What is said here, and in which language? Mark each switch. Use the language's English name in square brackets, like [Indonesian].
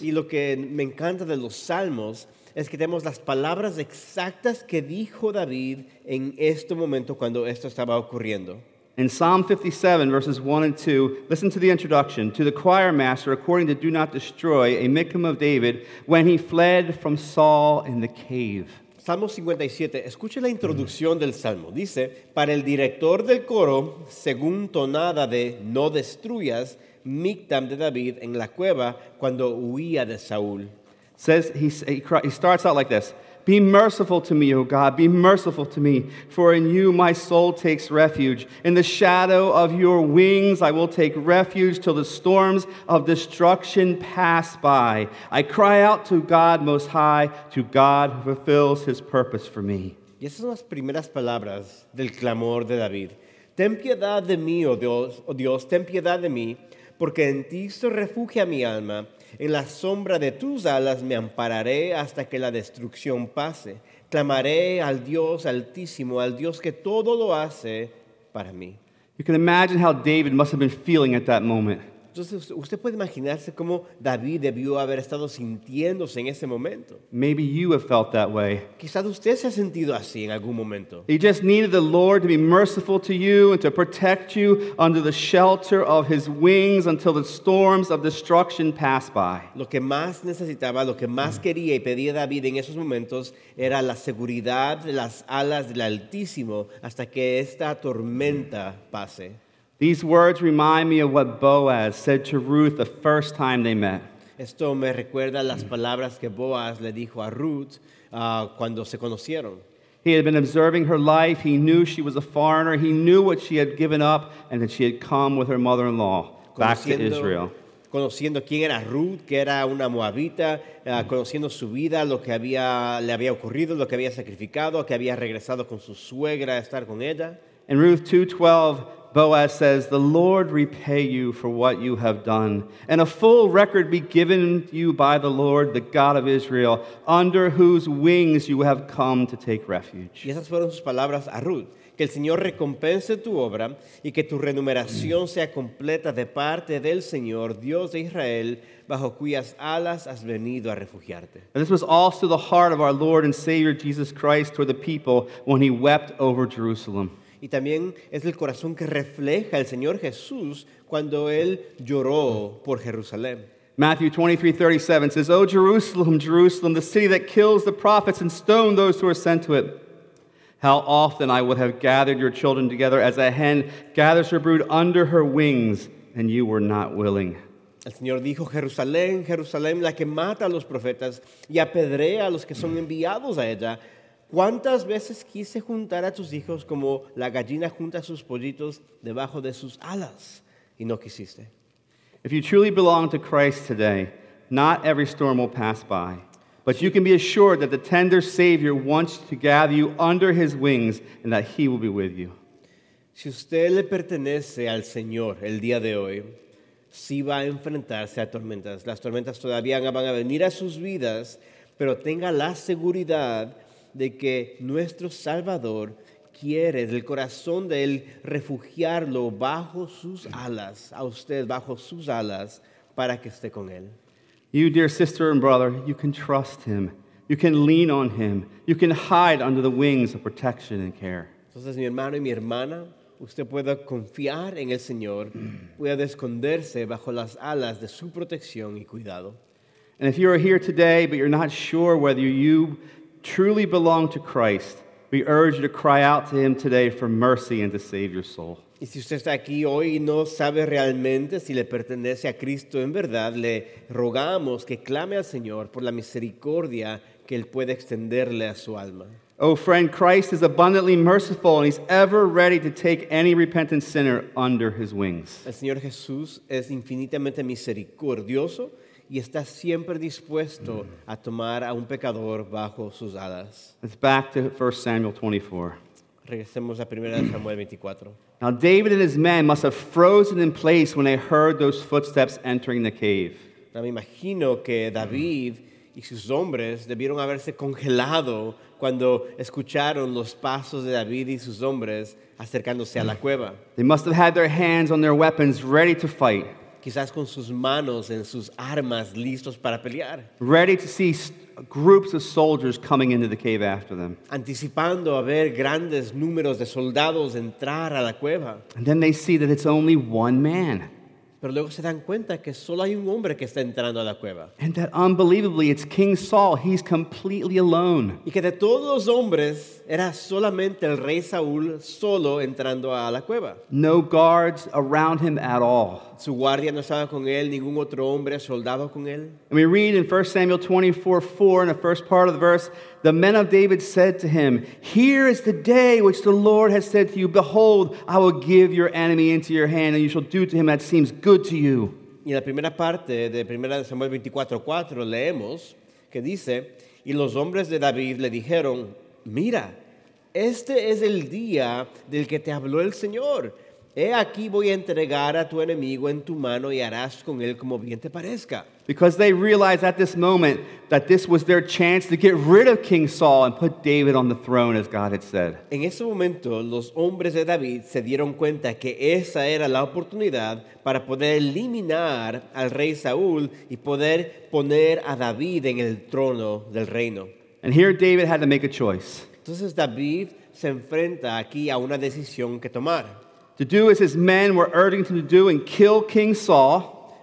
[Spanish] Y lo que me encanta de los Salmos es que tenemos las palabras exactas que dijo David en este momento cuando esto estaba ocurriendo. [English] In Psalm 57, verses 1 and 2, listen to the introduction. To the choir master, according to Do Not Destroy, a mikkam of David, when he fled from Saul in the cave. [Spanish] Salmo 57, escuche la introducción del Salmo. Dice, para el director del coro, según tonada de No Destruyas, mikkam de David en la cueva, cuando huía de Saúl. [English] Says he starts out like this. Be merciful to me, O God, be merciful to me, for in you my soul takes refuge. In the shadow of your wings I will take refuge till the storms of destruction pass by. I cry out to God Most High, to God who fulfills his purpose for me. [Spanish] Y esas son las primeras palabras del clamor de David. Ten piedad de mí, oh Dios, ten piedad de mí, porque en ti se refugia mi alma. En la sombra de tus alas me ampararé hasta que la destrucción pase. Clamaré al Dios Altísimo, al Dios que todo lo hace para mí. [English] You can imagine how David must have been feeling at that moment. [Spanish] Entonces, usted puede imaginarse cómo David debió haber estado sintiéndose en ese momento. [English] Maybe you have felt that way. [Spanish] Quizás usted se ha sentido así en algún momento. [English] He just needed the Lord to be merciful to you and to protect you under the shelter of his wings until the storms of destruction pass by. [Spanish] Lo que más necesitaba, lo que más quería y pedía David en esos momentos era la seguridad de las alas del Altísimo hasta que esta tormenta pase. [English] These words remind me of what Boaz said to Ruth the first time they met. [Spanish] Esto me recuerda las palabras que Boaz le dijo a Ruth cuando se conocieron. [English] He had been observing her life. He knew she was a foreigner. He knew what she had given up and that she had come with her mother-in-law back to Israel. [Spanish] Conociendo quién era Ruth, que era una moabita, conociendo su vida, lo que había, le había ocurrido, lo que había sacrificado, que había regresado con su suegra a estar con ella. [English] In Ruth 2:12, Boaz says, "The Lord repay you for what you have done, and a full record be given you by the Lord, the God of Israel, under whose wings you have come to take refuge." [Spanish] Y esas fueron sus palabras a Ruth. Que el Señor recompense tu obra y que tu remuneración sea completa de parte del Señor, Dios de Israel, bajo cuyas alas has venido a refugiarte. [English] And this was also the heart of our Lord and Savior Jesus Christ toward the people when he wept over Jerusalem. [Spanish] Y también es el corazón que refleja el Señor Jesús cuando él lloró por Jerusalén. [English] Matthew 23:37 says, "O Jerusalem, Jerusalem, the city that kills the prophets and stone those who are sent to it. How often I would have gathered your children together as a hen gathers her brood under her wings, and you were not willing." [Spanish] El Señor dijo, Jerusalén, Jerusalén, la que mata a los profetas y apedrea a los que son enviados a ella. ¿Cuántas veces quise juntar a tus hijos como la gallina junta sus pollitos debajo de sus alas? Y no quisiste. [English] If you truly belong to Christ today, not every storm will pass by. But you can be assured that the tender Savior wants to gather you under his wings and that he will be with you. [Spanish] Si usted le pertenece al Señor el día de hoy, sí va a enfrentarse a tormentas. Las tormentas todavía van a venir a sus vidas, pero tenga la seguridad de que nuestro Salvador quiere del corazón de él refugiarlo bajo sus alas, a usted bajo sus alas, para que esté con él. [English] You, dear sister and brother, you can trust him. You can lean on him. You can hide under the wings of protection and care. [Spanish] Entonces, mi hermano y mi hermana, usted puede confiar en el Señor, puede esconderse bajo las alas de su protección y cuidado. [English] And if you are here today, but you're not sure whether you truly belong to Christ, we urge you to cry out to him today for mercy and to save your soul. [Spanish] Y si usted está aquí hoy y no sabe realmente si le pertenece a Cristo en verdad, le rogamos que clame al Señor por la misericordia que Él puede extenderle a su alma. [English] Oh, friend, Christ is abundantly merciful and he's ever ready to take any repentant sinner under his wings. [Spanish] El Señor Jesús es infinitamente misericordioso y está siempre dispuesto a tomar a un pecador bajo sus alas. [English] It's back to 1 Samuel 24. [Spanish] Regresemos a 1 Samuel 24. [English] Now David and his men must have frozen in place when they heard those footsteps entering the cave. [Spanish] Ahora me imagino que David y sus hombres debieron haberse congelado cuando escucharon los pasos de David y sus hombres acercándose a la cueva. [English] They must have had their hands on their weapons ready to fight. [Spanish] Quizás con sus manos en sus armas listos para pelear. [English] Ready to see groups of soldiers coming into the cave after them. [Spanish] Anticipando a ver grandes números de soldados entrar a la cueva. [English] And then they see that it's only one man. [Spanish] Pero luego se dan cuenta que solo hay un hombre que está entrando a la cueva. [English] And that unbelievably it's King Saul. He's completely alone. [Spanish] Y que de todos los hombres era solamente el rey Saúl solo entrando a la cueva. [English] No guards around him at all. [Spanish] Su guardia no estaba con él, ningún otro hombre soldado con él. [English] And we read in 1 Samuel 24:4 in the first part of the verse, "The men of David said to him, 'Here is the day which the Lord has said to you, behold, I will give your enemy into your hand, and you shall do to him that seems good to you.'" [Spanish] Y en la primera parte de 1 Samuel 24:4 leemos que dice, "Y los hombres de David le dijeron, 'Mira, este es el día del que te habló el Señor. He aquí voy a entregar a tu enemigo en tu mano y harás con él como bien te parezca." [English] Because they realized at this moment that this was their chance to get rid of King Saul and put David on the throne as God had said. [Spanish] En ese momento, los hombres de David se dieron cuenta que esa era la oportunidad para poder eliminar al rey Saúl y poder poner a David en el trono del reino. [English] And here David had to make a choice. [Spanish] Entonces David se enfrenta aquí a una decisión que tomar. [English] To do as his men were urging him to do and kill King Saul.